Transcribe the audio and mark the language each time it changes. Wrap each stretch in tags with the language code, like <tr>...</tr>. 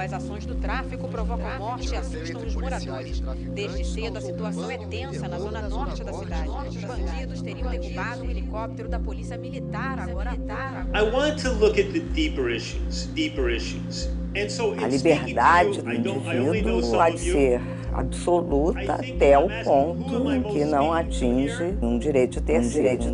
<pt>As ações do tráfico provocam morte e assustam os moradores. Desde cedo, a situação é tensa na zona norte da cidade. Os bandidos teriam derrubado um helicóptero da polícia militar agora à tarde.</pt> <en>I want to look at the deeper issues.</en> <pt>A liberdade do indivíduo pode ser absoluta até o ponto que não atinge um direito terceiro.</pt>